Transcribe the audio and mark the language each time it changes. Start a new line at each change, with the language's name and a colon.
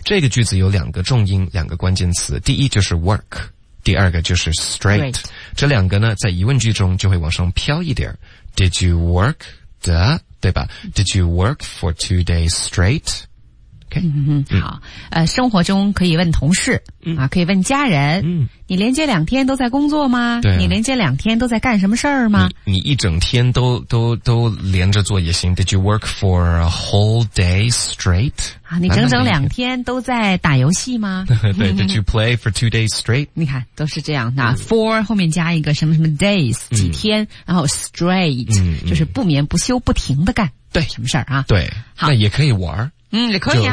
Chinese: 这个句子有两个重音，两个关键词。第一就是 work， 第二个就是 straight。这两个呢，在疑问句中就会往上飘一点。
English: Did you work the,
Chinese: 对吧
English: ？Did you work for 2 days straight? Okay，
Chinese: 嗯嗯，好。生活中可以问同事、嗯、啊，可以问家人、嗯。你连接两天都在工作吗？对、啊。你连接两天都在干什么事儿吗？你一整天都连着做也行。
English: Did you work for a whole day straight？
Chinese: 啊，你整整两天都在打游戏吗？对。
English: Did you play for 2 days straight？
Chinese: 你看，都是这样。那 for 后面加一个什么什么 days 几天，嗯、然后 straight、嗯、就是不眠不休不停的干。对。什么事儿啊？对。好。那也可以玩。嗯，也可以、啊、